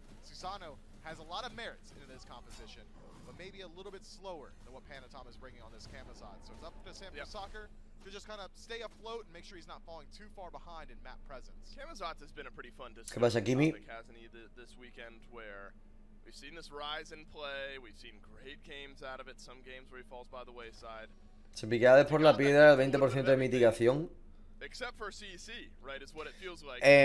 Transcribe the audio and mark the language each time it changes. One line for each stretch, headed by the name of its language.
English: Susano has a lot of merits in this composition, but maybe a little bit slower than what Panatom is bringing on this Kamazot. So it's up to Sanford Soccer to just kind of stay afloat and make sure he's not falling too far behind in map presence. Kamazot has been a pretty fun discussion this weekend, where we've seen this rise in play, we've seen great games out of it, some games where he falls by the wayside.
Spanish: Se piquea de por la piedra el 20% de mitigación.
English: Except for CC, right, is what it feels like.